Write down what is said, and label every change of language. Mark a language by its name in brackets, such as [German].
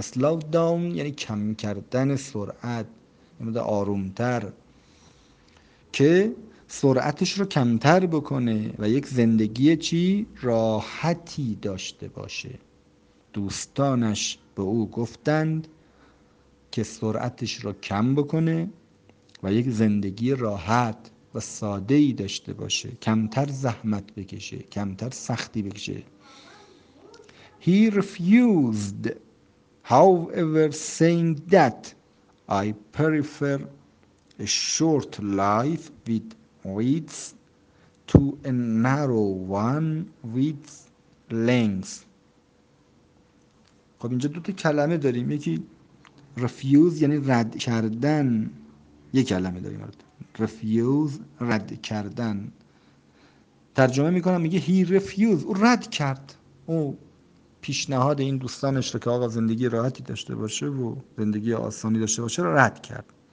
[Persian] Slow down یعنی کم کردن سرعت، یعنی آرومتر، که سرعتش رو کمتر بکنه و یک زندگی چی؟ راحتی داشته باشه. دوستانش به او گفتند که سرعتش را کم بکنه و یک زندگی راحت و ساده‌ای داشته باشه، کمتر زحمت بکشه، کمتر سختی بکشه. [English] He refused, however, saying that I prefer a short life with width to a narrow one with length. [Persian] خب اینجا دو تا کلمه داریم، یکی refuse یعنی رد کردن، یک کلمه داریم refuse، رد کردن. ترجمه میکنم، میگه [English] he refused، [Persian] او رد کرد، او پیشنهاد این دوستانش رو که آقا زندگی راحتی داشته باشه و زندگی آسانی داشته باشه رو رد کرد.